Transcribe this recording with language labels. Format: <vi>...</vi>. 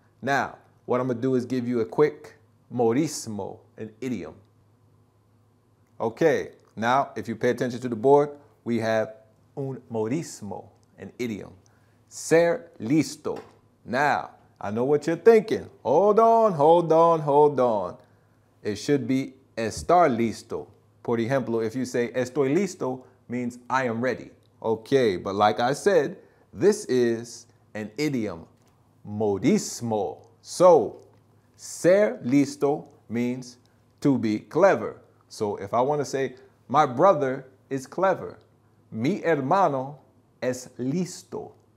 <en>Now, what I'm going to do is give you a quick modismo, an idiom. Okay, now if you pay attention to the board, we have</en> <es>un modismo,</es> <en>an idiom.</en> <es>Ser listo.</es> <en>Now, I know what you're thinking. Hold on. It should be</en> <es>estar listo. Por ejemplo,</es> <en>if you say</en> <es>estoy listo,</es> <en>means I am ready. Okay, but like I said, this is an idiom, modismo. So,</en> <es>ser listo</es> <en>means to be clever. So, if I want to say my brother is clever,</en> <es>mi hermano es listo.</es>